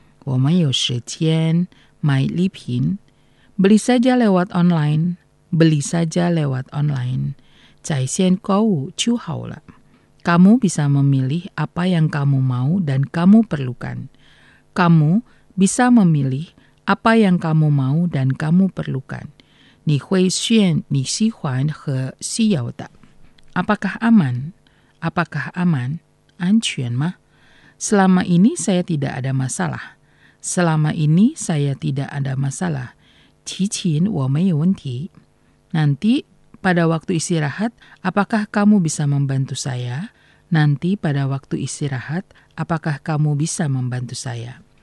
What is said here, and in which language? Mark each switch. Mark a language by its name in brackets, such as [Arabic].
[Chinese] 我没有时间买礼品。 [Indonesian] Beli saja lewat online. Beli saja lewat online. [Chinese] 在线购物就好了。 [Indonesian] Kamu bisa memilih apa yang kamu mau dan kamu perlukan. Kamu bisa memilih apa yang kamu mau dan kamu perlukan. [Chinese] 你会选你喜欢和需要的。 [Indonesian] Apakah aman? apakah aman, [Chinese] ancuan mah? [Indonesian] Selama ini saya tidak ada masalah. Selama ini saya tidak ada masalah. Cicin, [Chinese] wo mei wen ti. [Indonesian] Nanti, pada waktu istirahat, apakah kamu bisa membantu saya? Nanti, pada waktu istirahat, apakah kamu bisa membantu saya?